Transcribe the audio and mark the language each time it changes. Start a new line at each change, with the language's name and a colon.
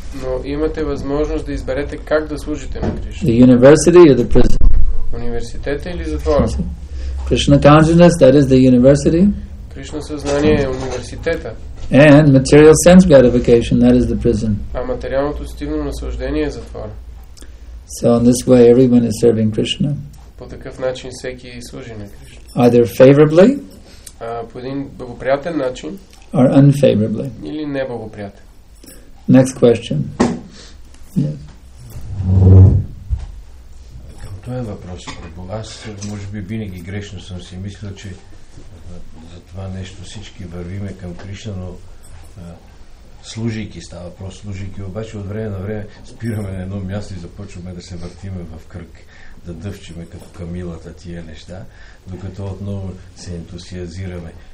Bulgarian: Но имате възможност да изберете как да служите на Кришна.
English: The university or the prison?
Bulgarian: Университета или затвора?
English: Krishna consciousness, that is the university.
Bulgarian: Кришна съзнание е университета.
English: And material sense gratification, that is the prison.
Bulgarian: А материалното стивно наслаждение е затвора.
English: So in this way everyone is serving Krishna.
Bulgarian: По такъв начин всеки служи на Кришна.
English: Either favorably,
Bulgarian: по един благоприятен начин,
English: or unfavorably.
Bulgarian: Или неблагоприятен.
English: Next question. Yes.
Bulgarian: Към този въпрос, аз може би винаги грешно съм си мислил, че за това нещо всички вървиме към Кришна, но служайки става въпрос, служайки, обаче от време на време спираме на едно място и започваме да се въртиме в кръг, да дъвчиме като камилата тия неща, докато отново се ентусиазираме.